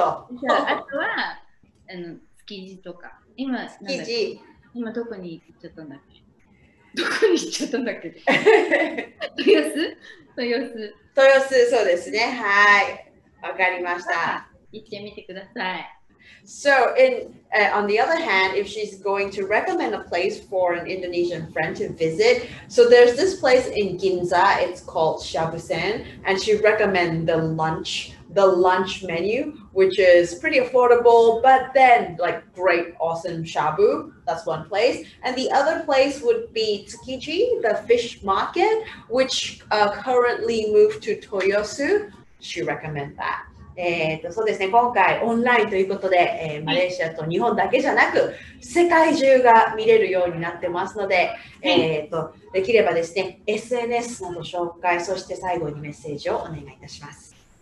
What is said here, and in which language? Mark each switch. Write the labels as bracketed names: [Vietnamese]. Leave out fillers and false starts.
[Japanese] あとは築地とか、今なんだっけ、築地、今どこに行っちゃったんだっけ、どこに行っちゃったんだっけ。豊洲、そうですね、はい、わかりました。行ってみてください。 [English] So in,、on the other hand, if she's going to recommend a place for an Indonesian friend to visit, so there's this place in Ginza, it's called Shabusen, and she recommend the lunch menu, which is pretty affordable, but then like great, awesome shabu. That's one place. And the other place would be Tsukiji, the fish market, which currently moved to Toyosu. She recommend that. [Japanese] そうですね、今回オンラインということで、マレーシアと日本だけじゃなく世界中が見れるようになってますので、できればですね、SNS など紹介、そして最後にメッセージをお願いいたします。